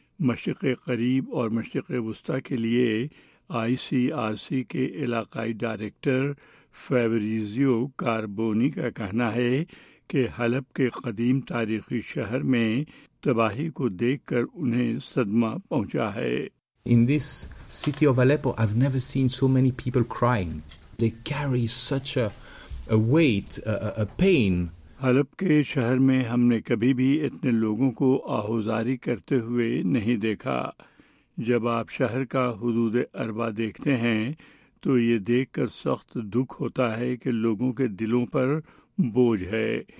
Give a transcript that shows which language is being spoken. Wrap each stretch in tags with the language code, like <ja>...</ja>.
<ur>مشرق قریب اور مشرق وسطی کے لیے آئی سی آر سی کے علاقائی ڈائریکٹر فیبریزیو کاربونی کا کہنا ہے کہ حلب کے قدیم تاریخی شہر میں تباہی کو دیکھ کر انہیں صدمہ پہنچا ہے.</ur> <en>In this city of Aleppo, I've never seen so many people crying. They carry such a weight, a pain.</en> <ur>حلب کے شہر میں ہم نے کبھی بھی اتنے لوگوں کو آہوزاری کرتے ہوئے نہیں دیکھا. جب آپ شہر کا حدود اربا دیکھتے ہیں تو یہ دیکھ کر سخت دکھ ہوتا ہے کہ لوگوں کے دلوں پر بوجھ ہے.</ur>